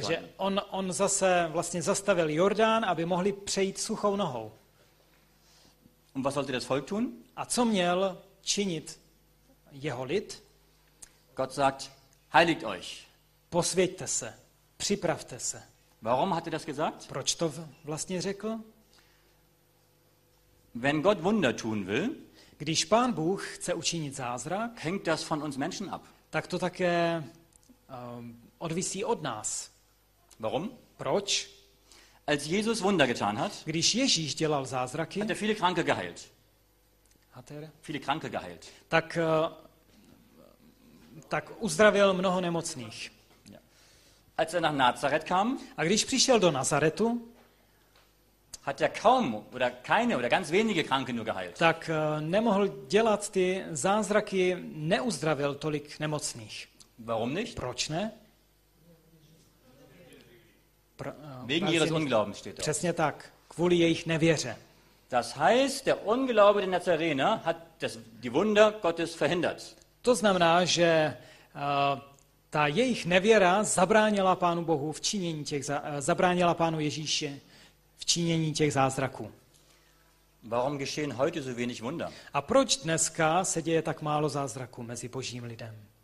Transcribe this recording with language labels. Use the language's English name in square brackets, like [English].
[German] konnten. [Czech] Takže on zase vlastně zastavil Jordán, aby mohli přejít suchou nohou. [German] Und was sollte das Volk tun? [Czech] A co měl činit jeho lid? [German] Gott sagt, heiligt euch. [Czech] Posvěťte se, připravte se. [German] Warum hat er das gesagt? [Czech] Proč to vlastně řekl? [German] Wenn Gott Wunder tun will, [Czech] když Pán Bůh chce učinit zázrak, [German] hängt das von uns Menschen ab. [Czech] Tak to také odvisí od nás. [German] Warum? [Czech] Proč? [German] Als Jesus Wunder getan hat, [Czech] když Ježíš dělal zázraky, [German] hat er viele Kranke geheilt. Hat er? Viele Kranke geheilt. [Czech] Tak uzdravil mnoho nemocných. [German] Ja. Als er nach Nazareth kam, [Czech] a když přišel do Nazaretu, [German] hat er kaum oder keine oder ganz wenige Kranke nur geheilt. [Czech] Tak nemohl dělat ty zázraky, neuzdravil tolik nemocných. [German] Warum nicht? [Czech] Proč ne? [German] Wegen ihres Unglaubens steht da. [Czech] Přesně tak, kvůli jejich nevěře. [German] Das heißt, der Unglaube der Nazarener hat die Wunder Gottes verhindert. [Czech] To znamená, že ta jejich nevěra zabránila Pánu Bohu v činění těch zabránila Pánu Ježíši v činění těch zázraků. [German] Warum geschehen heute so wenig Wunder? [Czech] A proč dneska se děje tak málo zázraků mezi Božím lidem?